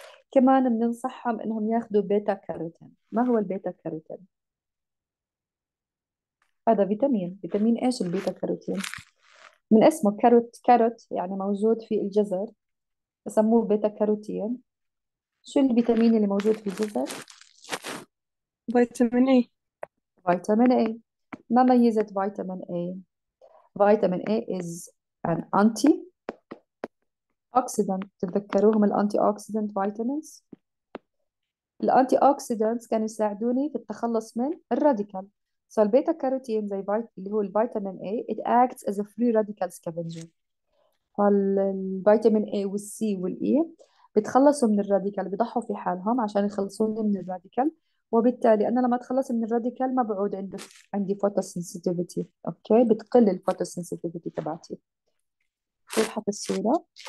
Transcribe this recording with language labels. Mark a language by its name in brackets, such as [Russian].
[Arabic] كمان بننصحهم انهم ياخذوا بيتا كاروتين. ما هو البيتا كاروتين؟ هذا فيتامين. فيتامين ايش البيتا كاروتين؟ من اسمه كاروت، كاروت يعني موجود في الجزر، بسموه بيتا كاروتين. شو الفيتامين اللي موجود في الجزر؟ فيتامين اي. فيتامين A. ما ميزة فيتامين A؟ [English] Vitamin A is an anti oxidant. [Arabic] تتذكروهم الانتي اوكسيدنت فيتامينز؟ الانتي اوكسيدنت كانوا يساعدوني في التخلص من الراديكال. [English] So [Arabic] البيتا كاروتين زي اللي هو الفيتامين A, [English] it acts as a free radical scavenger. [Arabic] فالفيتامين A والسي والإي بيتخلصوا من الراديكال، بيضحوا في حالهم عشان يخلصوني من الراديكال، وبالتالي انا لما اتخلص من الراديكال ما بعود عندي فوتو سنسيتيفيتي، اوكي، بتقل الفوتو سنسيتيفيتي تبعتي. تضحك الصوره،